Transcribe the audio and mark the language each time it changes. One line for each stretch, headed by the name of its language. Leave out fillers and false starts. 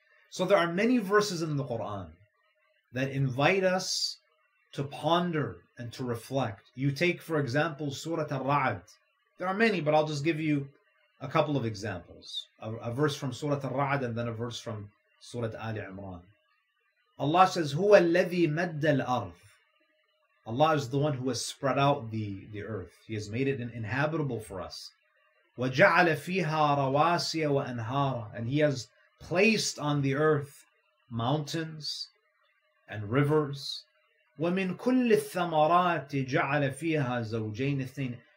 English: So there are many verses in the Quran that invite us to ponder and to reflect. You take, for example, Surah Ar-Ra'd. There are many, but I'll just give you a couple of examples. A verse from Surah Ar-Ra'd and then a verse from Surah Ali Imran. Allah says,
Arabic: هُوَ الَّذِي مَدَّ الْأَرْضِ.
English: Allah is the one who has spread out the earth. He has made it inhabitable for us.
Arabic: وَجَعَلَ فِيهَا رَوَاسِيَ وَأَنْهَارًا.
English: And He has placed on the earth mountains and rivers.
Arabic: وَمِن كُلِّ الثَّمَرَاتِ جَعَلَ فِيهَا زَوْجَيْنِ اثنين.